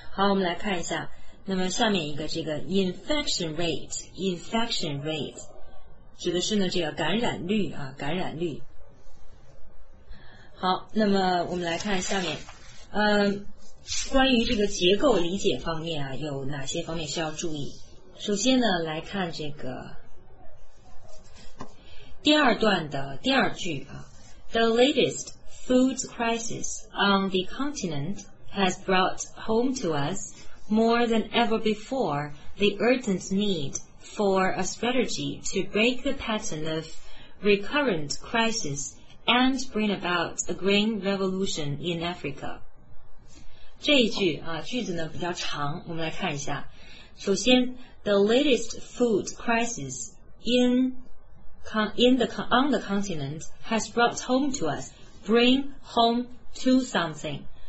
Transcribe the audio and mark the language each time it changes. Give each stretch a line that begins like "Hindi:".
Chinese: 好，我们来看一下，那么下面一个这个 infection rate 指的是呢这个感染率感染率。好，那么我们来看下面关于这个结构理解方面有哪些方面需要注意。首先呢来看这个第二段的第二句
English: The latest food crisis on the continent has brought home to us more than ever before the urgent need for a strategy to break the pattern of recurrent crisisand bring about a green revolution in Africa.
Chinese: 这一句句子呢比较长，我们来看一下。
English: 首先 the latest food crisis on the continent has brought home to us, bring home to something.